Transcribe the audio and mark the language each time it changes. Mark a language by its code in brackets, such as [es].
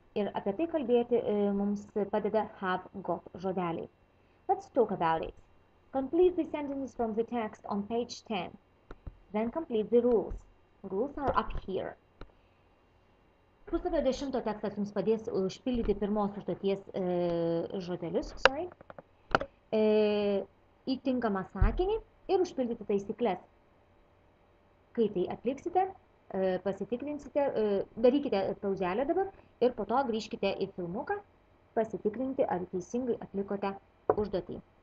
[lt] Ir apie tai kalbėti mums padeda [en] have got [lt] žodeliai. [en] Let's talk about it. Complete the sentences from the text on page 10. Then complete the rules. Rules are up here. [lt] Puslapio 10 tekstas jums padės užpildyti pirmos užduoties žodelius, sorry, įtinkamą sakinį ir užpildyti taisyklės. Kai tai atliksite, pasitikrinsite, darykite pauzelę dabar ir po to grįžkite į filmuką pasitikrinti, ar teisingai atlikote užduotį.